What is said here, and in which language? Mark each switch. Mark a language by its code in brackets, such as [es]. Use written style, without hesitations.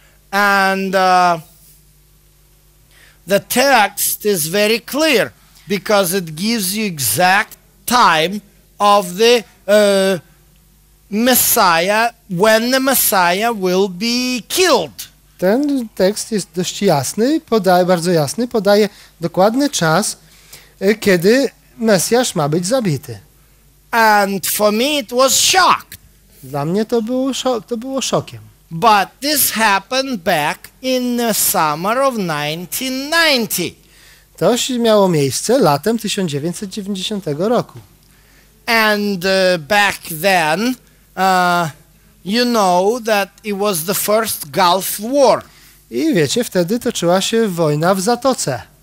[en] And the text is very clear, because it gives you exact time of the Messiah, when the Messiah will be killed. [pl] Ten tekst jest dość jasny, bardzo jasny, podaje dokładny czas, kiedy Mesjasz ma być zabity. [en] And for me it was shock. [pl] Dla mnie to było szokiem. [en] But this happened back in the summer of 1990. [pl] To się miało miejsce latem 1990 roku. [en] And back then, you know that it was the first Gulf War. [pl] I wiecie, wtedy toczyła się wojna w Zatoce.